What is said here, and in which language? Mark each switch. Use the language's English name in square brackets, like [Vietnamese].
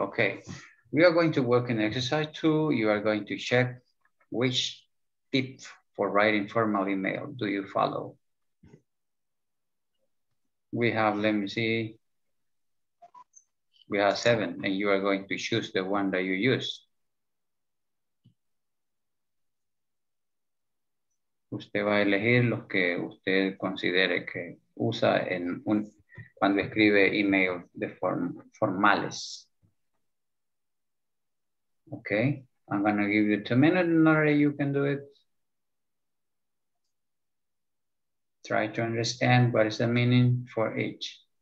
[English] Okay, we are going to work in exercise two. You are going to check which tip for writing formal email do you follow? We have, let me see. We have 7, and you are going to choose the one that you use. [Spanish] Usted va a elegir los que usted considere que usa en un cuando escribe email de formales. [English] Okay, I'm going to give you 2 minutes, Nora, you can do it. Try to understand what is the meaning for each.